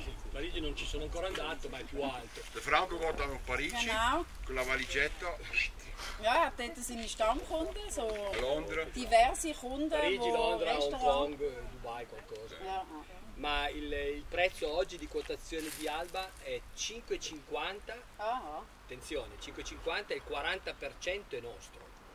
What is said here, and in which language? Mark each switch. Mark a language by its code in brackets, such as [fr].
[it] Parigi non ci sono ancora andato, ma è più alto. [de] Der Franco geht dann nach Parigi, genau. [it] Con la valigetta. [de] Ja, er hat dort seine Stammkunden, so [it] Londra. [de] Diverse Kunden. [it] Parigi, Londra, Hong Kong, Dubai, qualcosa. [de] Ja. [it] Ma il prezzo oggi di quotazione di Alba è 5,50. Attenzione, 5,50 e il 40% è nostro.